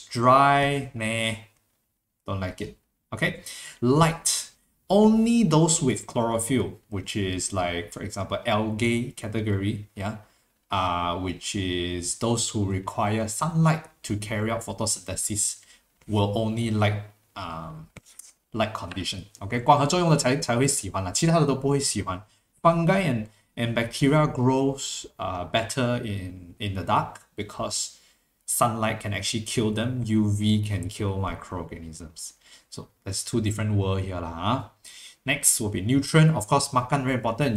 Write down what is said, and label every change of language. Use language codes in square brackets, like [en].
[en] Dry, nah, don't like it. Okay, light, only those with chlorophyll, which is like, for example, algae category, which is those who require sunlight to carry out photosynthesis, will only like condition, okay? [zh] 光合作用的才会喜欢啦, 其他的都不会喜欢. [en] Fungi and bacteria grows better in the dark because sunlight can actually kill them. UV can kill microorganisms. So there's two different world here lah. Next will be nutrient. Of course, makan very important.